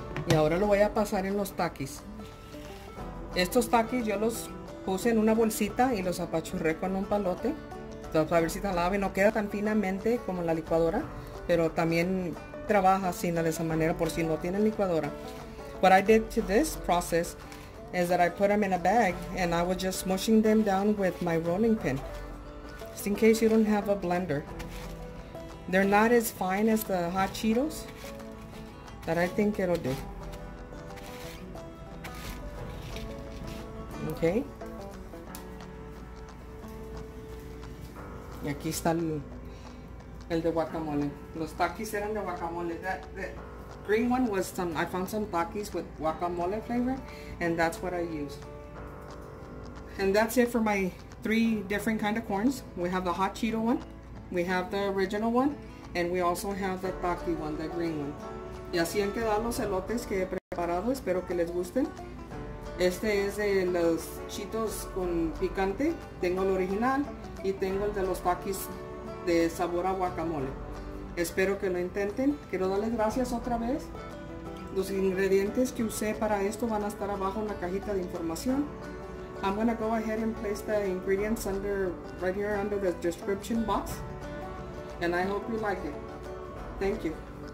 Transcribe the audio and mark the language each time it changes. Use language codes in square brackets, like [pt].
[es] Y ahora lo voy a pasar en los taquis. Estos taquis yo los puse en una bolsita y los apachurré con un palote. Entonces, a ver si tan lave, no queda tan finamente como la licuadora, pero también trabaja así de esa manera por si no tienen licuadora. [en] What I did to this process is that I put them in a bag and I was just smushing them down with my rolling pin. Just in case you don't have a blender. They're not as fine as the hot Cheetos, but I think it'll do. Okay. [es] Y aquí está el de guacamole. Los takis eran de guacamole. [en] The green one was some, I found some takis with guacamole flavor, and that's what I used. And that's it for my three different kind of corns. We have the hot Cheeto one, we have the original one, And we also have the Paki one, the green one. [es] Y así han quedado los elotes que he preparado. Espero que les gusten. Este es de los chitos con picante. Tengo el original y tengo el de los Pakis de sabor a guacamole. Espero que lo intenten. Quiero darles gracias otra vez. Los ingredientes que usé para esto van a estar abajo en la cajita de información. [en] I'm going to go ahead and place the ingredients under, right here under the description box. And I hope you like it. Thank you.